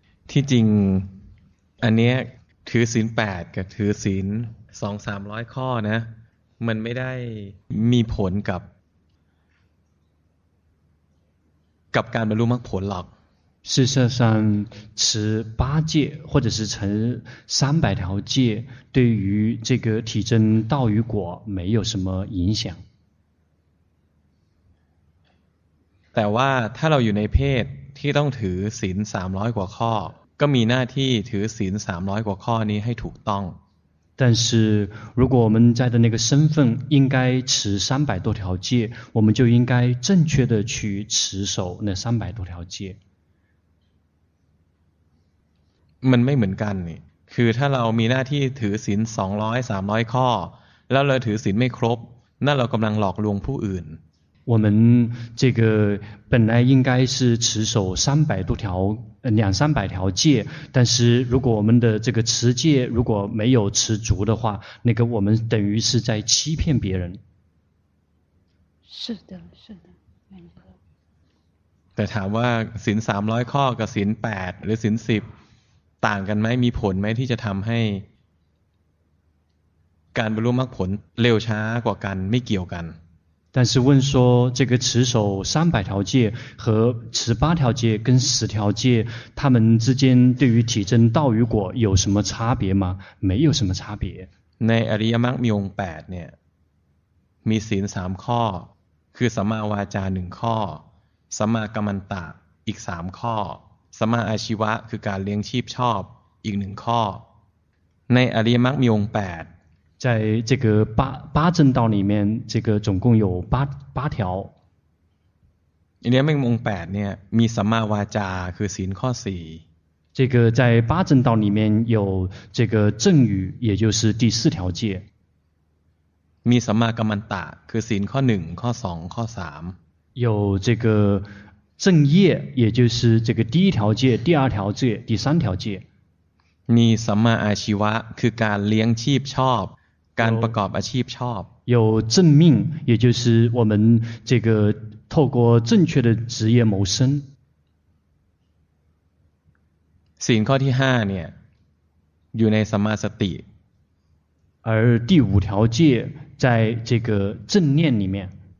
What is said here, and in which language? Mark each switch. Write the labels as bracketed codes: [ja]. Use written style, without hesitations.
[th] ที่จริงอันเนี้ยถือศีล8กับถือศีล 2-300 ข้อนะมันไม่ได้มีผลกับการบรรลุมรรคผลหรอก [zh] 事实上持八戒或者是持三百条戒对于这个体证道与果没有什么影响 [th] แต่ว่าถ้าเราอยู่ในเพศที่ต้องถือศีล300กว่าข้อก็มีหน้าที่ถือศีล300กว่าข้อนี้ให้ถูกต้อง [zh] 但是如果我们在的那个身份应该持三百多条戒我们就应该正确的去持守那三百多条戒 [th] มันไม่เหมือนกันนี่คือถ้าเรามีหน้าที่ถือศีล200 300ข้อแล้วเราถือศีลไม่ครบนั่นเรากำลังหลอกลวงผู้อื่น [zh] 我们这个本来应该是持守三百多条两三百条戒但是如果我们的这个持戒如果没有持足的话那个我们等于是在欺骗别人是的是的 [th] แต่ถามว่าศีล300ข้อกับศีล8หรือศีล10ต่างกันไหมมีผลไหมที่จะทำให้การบรรลุมรรคผลเร็วช้ากว่ากันไม่เกี่ยวกัน [zh] 但是问说这个持守三百条戒和持八条戒跟十条戒他们之间对于体证道与果有什么差别吗没有什么差别 [th] ในอริยมรรคมีองค์8เนี่ยมีศีล3ข้อคือสัมมาวาจา1ข้อสัมมากัมมันตะอีก3ข้อสัมมาอาชีวะคือการเลี้ยงชีพชอบอีก1ข้อในอริยมรรคมีองค์8 [zh] 在这个八正道里面，这个总共有八条。 [th] เนี่ยมงค์8เนี่ยมีสัมมาวาจาคือศีลข้อ4。 [zh] 这个在八正道里面有这个正语，也就是第四条戒。 [th] มีสัมมากัมมันตะคือศีลข้อ1ข้อ2ข้อ3。 [zh] 有这个正业，也就是这个第一条戒、第二条戒、第三条戒。 [th] มีสัมมาอาชีวะคือการเลี้ยงชีพชอบการประกอบอาชีพชอบ [zh] 有正命也就是我们这个透过正确的职业谋生 [th] ศีลข้อที่ 5 เนี่ยอยู่ในสัมมาสติ [zh] 而第五条戒在这个正念里面